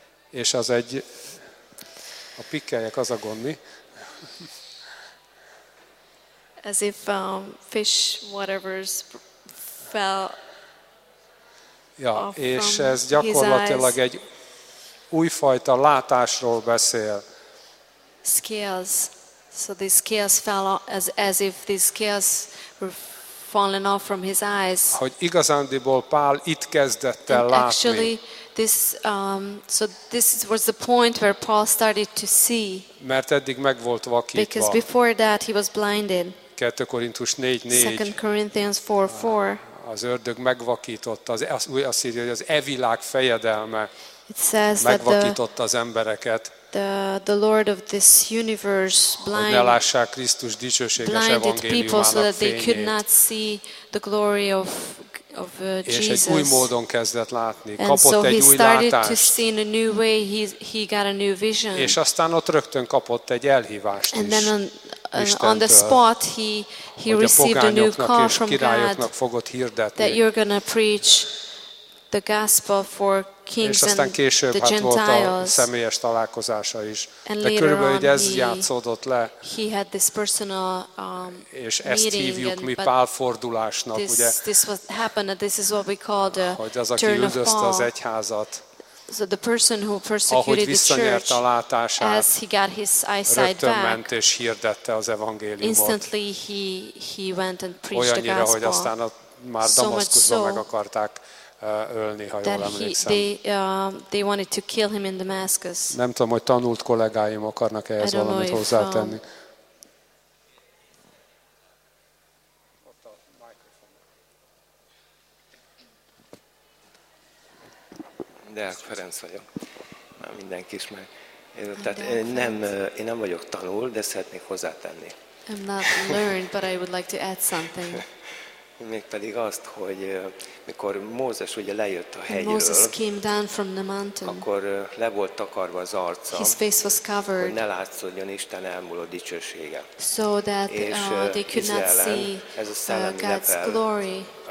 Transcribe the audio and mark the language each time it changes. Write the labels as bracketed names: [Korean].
[Hungarian] és az egy a pikkelyek az a gond, mi? [English] As if fish whatever's fell. [Hungarian] Ja, és ez gyakorlatilag egy újfajta látásról beszél. [English] Scales. So these scales fell as if these scales were falling off from his eyes. [Hungarian] Hogy igazándiból Pál itt kezdett el látni. [English] Actually, this so this was the point where Paul started to see. [Hungarian] Mert eddig meg volt vakítva. [English] Because before that he was blinded. [Hungarian] 2 Korintus 4:4. [English] 2 Corinthians 4:4. [Hungarian] Az ördög megvakította az írja, hogy az e világ fejedelme. [English] It says [Hungarian] megvakította az embereket. [English] The Lord of this universe blinded people so that they could not see the glory of Jesus. [Hungarian] És egy új módon kezdett látni, kapott egy új látást, és aztán ott rögtön kapott egy elhívást is. [English] On the spot he received a new call from God that you're going to preach the gospel for kings and the Gentiles. [Hungarian] Személyes találkozása is. De körülbelül így ez játszódott le. [English] He had this personal [Hungarian] és ezt hívjuk mi Pál fordulásnak, ugye? [English] This was happened, and this is what we call the [Hungarian] hogy az, aki üldözte az egyházat. [English] So the person who persecuted the church, as he got his eyesight back, [Hungarian] ment és hirdette az evangéliumot. [English] Instantly he went and preached [Hungarian] olyannyira, [English] the gospel. [Hungarian] Hogy aztán már Damaszkuszban so meg akarták ölni, ha jól emlékszem. [English] They wanted to kill him in Damascus. [Hungarian] Nem tudom, hogy tanult kollégáim akarnak ehhez valamit hozzátenni. Deák Ferenc vagyok. Már mindenki ismer. Tehát én nem vagyok tanult, de szeretnék hozzátenni. [English] I'm not learned, but I would like to add something. [Hungarian] Mégpedig azt, hogy mikor Mózes ugye lejött a hegyről, [English] Moses came down from the mountain, [Hungarian] akkor le volt takarva az arca, [English] his face was covered, [Hungarian] hogy ne látszódjon Isten elmúló dicsősége. [English] So that they could not see God's glory.